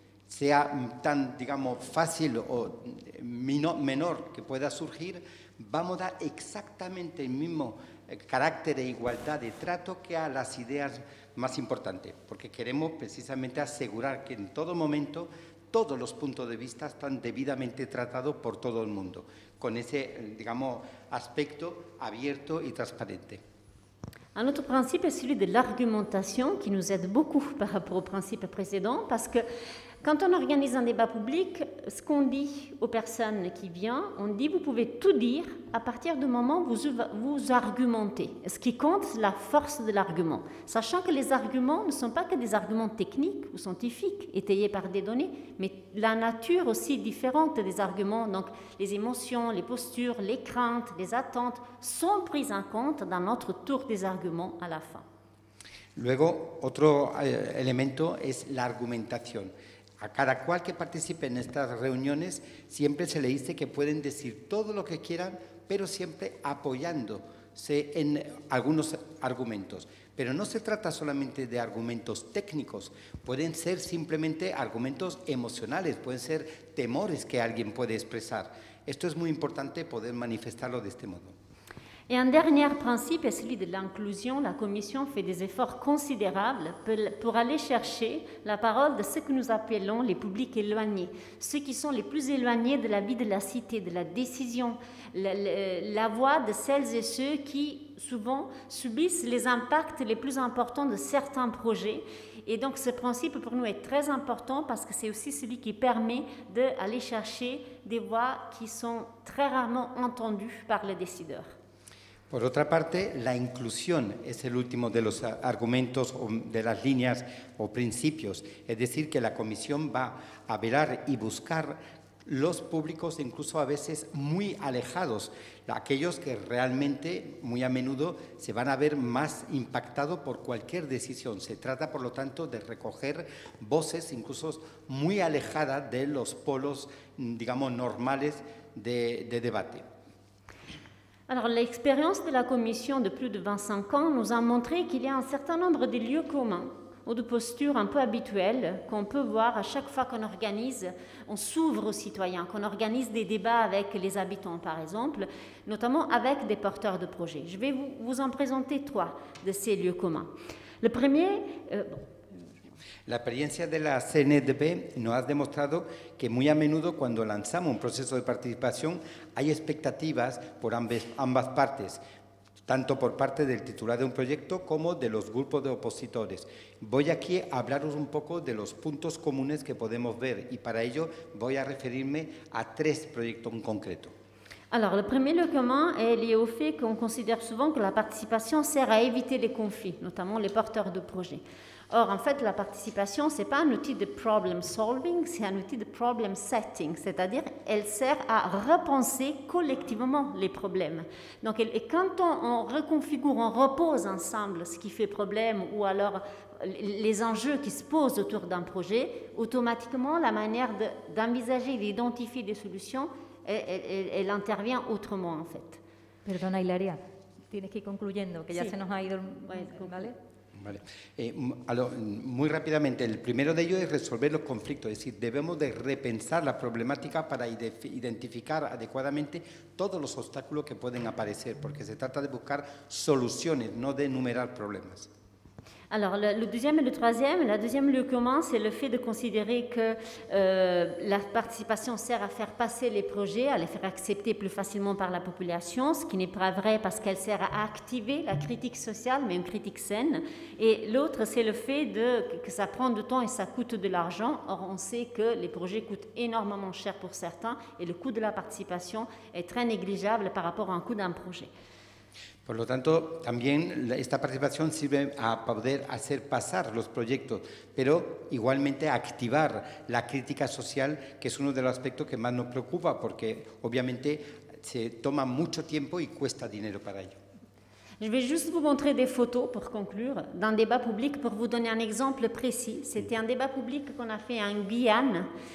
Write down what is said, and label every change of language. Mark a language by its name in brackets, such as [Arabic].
[Spanish] sea tan, digamos, fácil o menor que pueda surgir, vamos a dar exactamente el mismo carácter e igualdad de trato que a las ideas más importantes, porque queremos precisamente asegurar que en todo momento todos los puntos de vista están debidamente tratados por todo el mundo, con ese, digamos, aspecto abierto y transparente. [French] Un autre principe es celui de l'argumentation, qui nous aide beaucoup par rapport au principe précédent, parce que quand on organise un débat public, ce qu'on dit aux personnes qui viennent, on dit vous pouvez tout dire à partir du moment où vous argumentez. Ce qui compte, c'est la force de l'argument. Sachant que les arguments ne sont pas que des arguments techniques ou scientifiques, étayés par des données, mais la nature aussi différente des arguments, donc les émotions, les postures, les craintes, les attentes, sont prises en compte dans notre tour des arguments à la fin. [Spanish] Luego, otro elemento es la argumentación. A cada cual que participe en estas reuniones, siempre se le dice que pueden decir todo lo que quieran, pero siempre apoyando en algunos argumentos, pero no se trata solamente de argumentos técnicos, pueden ser simplemente argumentos emocionales, pueden ser temores que alguien puede expresar. Esto es muy importante poder manifestarlo de este modo. [French] Et un dernier principe est celui de l'inclusion. La Commission fait des efforts considérables pour aller chercher la parole de ce que nous appelons les publics éloignés, ceux qui sont les plus éloignés de la vie de la cité, de la décision, la voix de celles et ceux qui, souvent, subissent les impacts les plus importants de certains projets. Et donc ce principe pour nous est très important parce que c'est aussi celui qui permet d'aller chercher des voix qui sont très rarement entendues par les décideurs. [Spanish] Por otra parte, la inclusión es el último de los argumentos o de las líneas o principios. Es decir, que la Comisión va a velar y buscar los públicos, incluso a veces muy alejados, aquellos que realmente, muy a menudo, se van a ver más impactados por cualquier decisión. Se trata, por lo tanto, de recoger voces incluso muy alejadas de los polos, digamos, normales de debate. [French] Alors, l'expérience de la Commission de plus de 25 ans nous a montré qu'il y a un certain nombre de lieux communs ou de postures un peu habituelles qu'on peut voir à chaque fois qu'on organise, on s'ouvre aux citoyens, qu'on organise des débats avec les habitants, par exemple, notamment avec des porteurs de projets. Je vais vous en présenter trois de ces lieux communs. Le premier... [Spanish] La experiencia de la CNDP nos ha demostrado que muy a menudo cuando lanzamos un proceso de participación hay expectativas por ambas partes, tanto por parte del titular de un proyecto como de los grupos de opositores. Voy aquí a hablaros un poco de los puntos comunes que podemos ver y para ello voy a referirme a tres proyectos en concreto. [French] Alors, le premier lieu commun est lié au fait qu'on considère souvent que la participation sert à éviter les conflits, notamment les porteurs de projets. Or, en fait, la participation, ce n'est pas un outil de problem solving, c'est un outil de problem setting, c'est-à-dire elle sert à repenser collectivement les problèmes. Donc, et quand on reconfigure, on repose ensemble ce qui fait problème ou alors les enjeux qui se posent autour d'un projet, automatiquement, la manière d'envisager, d'identifier des solutions, elle intervient autrement, en fait. [Spanish] Perdona, Hilaria, tienes que ir concluyendo, que ya sí. Se nos ha ido, ¿vale? Vale. Muy rápidamente, el primero de ellos es resolver los conflictos, es decir, debemos de repensar la problemática para identificar adecuadamente todos los obstáculos que pueden aparecer, porque se trata de buscar soluciones, no de enumerar problemas. [French] Alors, le deuxième et le troisième, la deuxième lieu commun, c'est le fait de considérer que la participation sert à faire passer les projets, à les faire accepter plus facilement par la population, ce qui n'est pas vrai parce qu'elle sert à activer la critique sociale, mais une critique saine. Et l'autre, c'est le fait que ça prend du temps et ça coûte de l'argent. Or, on sait que les projets coûtent énormément cher pour certains et le coût de la participation est très négligeable par rapport à un coût d'un projet. [Spanish] Por lo tanto, también esta participación sirve a poder hacer pasar los proyectos, pero igualmente activar la crítica social, que es uno de los aspectos que más nos preocupa, porque obviamente se toma mucho tiempo y cuesta dinero para ello. [French] Je vais juste vous montrer des photos pour conclure d'un débat public pour vous donner un exemple précis. C'était un débat public qu'on a fait en Guyane.